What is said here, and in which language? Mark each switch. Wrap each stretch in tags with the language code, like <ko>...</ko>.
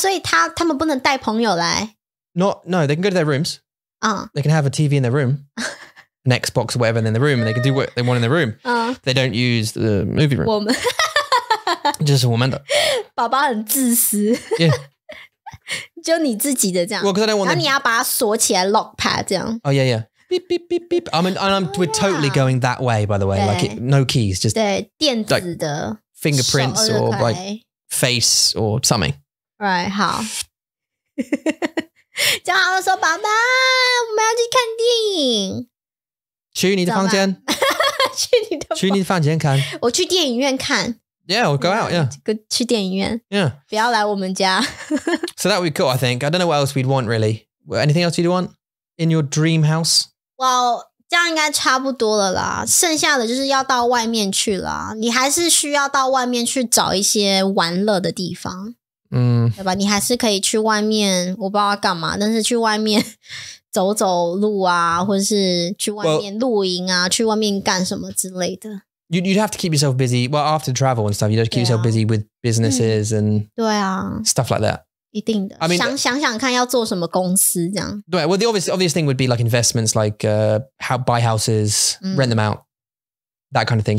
<zh>好,规则。对,规则,对。什么规则?电影院是我们的,不是他们的。好。不行,他们不行来。</zh> <en>So,</en> <zh>什么,所以他们不能带朋友来。Not,</zh> <en>no, they can go to their rooms. They can have a TV in their room, an Xbox or whatever in the room, and they can do what they want in the room. They don't use the movie room.</en> <zh>我们。</zh> <en>Just</en> <zh>我们的。爸爸很自私。</zh> <en>Yeah.</en> <zh>就你自己的这样。</zh> <en>Well, because I don't want them.</en> <zh>然后你要把它锁起来,lockpad这样。</zh> <en>Oh, yeah, yeah. Beep, beep, beep, beep. I mean, and I'm, we're totally going that way, by the way. Like, it, no keys, just</en> <zh>对, 电子的,</zh> <en>like fingerprints or like face or something. Right,</en> <zh>好. 叫他们说, 爸爸, 我们要去看电影。去你的房间。去你的房间看。我去电影院看。</zh> <en>Yeah, we'll go out, yeah. Go,</en> <zh>去电影院。</zh> <en>Yeah.</en> <zh>不要来我们家。</zh> <en>So that would be cool, I think. I don't know what else we'd want, really. Anything else you'd want in your dream house?</en> <zh>Well, 这样应该差不多了啦, 剩下的就是要到外面去啦, 你还是需要到外面去找一些玩乐的地方, 对吧? 你还是可以去外面, 我不知道干嘛, 但是去外面走走路啊, 或是去外面露营啊, 去外面干什么之类的。</zh> <en>You'd have to keep yourself busy, well, after travel and stuff, you'd have to keep yourself busy with businesses and</en> <zh>对啊,</zh> <en>stuff like that.</en> <zh>一定的,</zh> <en>I mean,</en> <zh>想想看要做什么公司这样。</zh> <en>Right, well, the obvious thing would be like investments, like buy houses, rent them out, that kind of thing.</en>